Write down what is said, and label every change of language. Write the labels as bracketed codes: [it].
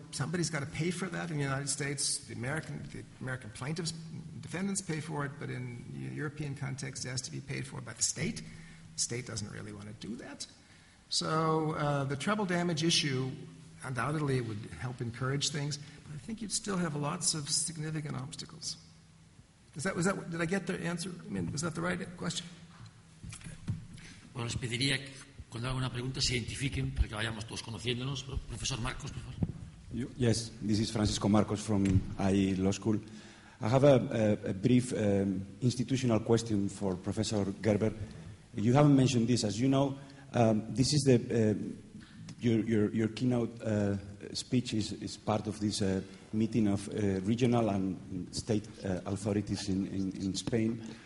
[en] Somebody's got to pay for that in the United States. The American plaintiffs, defendants pay for it, but in the European context, it has to be paid for by the state. The state doesn't really want to do that. So the treble damage issue, undoubtedly, would help encourage things. But I think you'd still have lots of significant obstacles. Did I get the answer? I mean, was that the right question? [es] Bueno, les pediría que cuando hagan una pregunta se identifiquen para que vayamos todos conociéndonos. Profesor Marcos, por favor. [en] Yes, this is Francisco Marcos from IE Law School. I have a brief institutional question for Professor Gerber. You haven't mentioned this, as you know. This is the your keynote speech is part of this meeting of regional and state authorities in Spain.